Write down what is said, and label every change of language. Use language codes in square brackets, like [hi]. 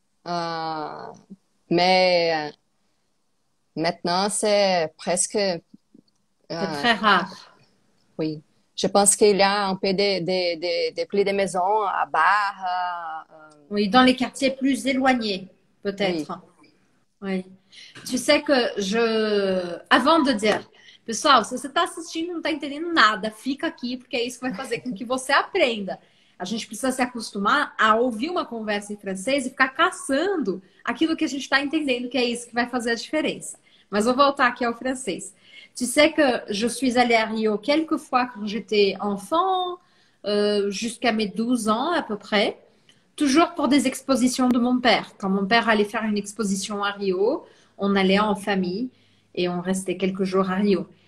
[fr] Mais maintenant, c'est presque C'est très rare. Oui. Je pense qu'il y a un peu de plus de maisons à Barre. Oui, dans les quartiers plus éloignés, Oui. peut-être. Oui. Tu sais que je... [pt] Avant de dire, pessoal, se você está assistindo e não está entendendo nada, fica aqui, porque é isso que vai fazer com que você aprenda. A gente precisa se acostumar a ouvir uma conversa em francês e ficar caçando aquilo que a gente está entendendo, que é isso que vai fazer a diferença. Mas vou voltar aqui ao francês. [fr] Tu sais que je suis allée à Rio quelquefois quand j'étais enfant, jusqu'à mes 12 ans à peu près, toujours pour des expositions de mon père. Quand mon père allait faire une exposition à Rio, on allait en famille et on restait quelques jours à Rio.